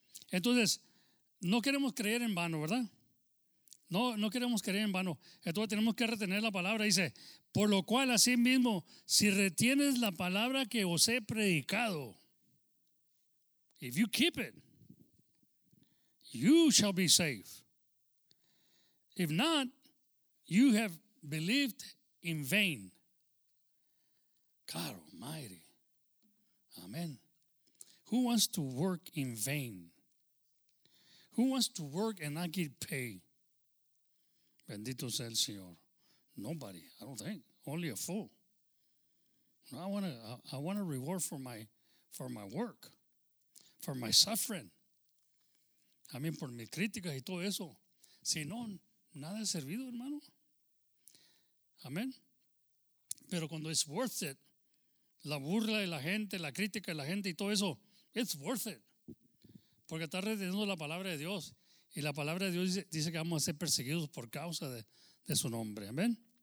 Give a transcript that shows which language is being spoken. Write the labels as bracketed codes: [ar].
[es] Entonces, no queremos creer en vano, ¿verdad? No queremos creer en vano. Entonces tenemos que retener la palabra. Dice, por lo cual, así mismo, si retienes la palabra que os he predicado, [en] if you keep it, you shall be safe. If not, you have believed in vain. Caro, mighty. Amén. Who wants to work in vain? Who wants to work and not get paid? [es] Bendito sea el Señor. [en] Nobody, I don't think. Only a fool. No, I want a reward for my work, for my suffering. I mean, [es] por mis críticas y todo eso. Si no, nada ha servido, hermano. Amén. Pero cuando [en] it's worth it, [es] la burla de la gente, la crítica de la gente y todo eso, it's worth it. Porque está reteniendo la palabra de Dios. Y la palabra de Dios dice que vamos a ser perseguidos por causa de su nombre. Amén.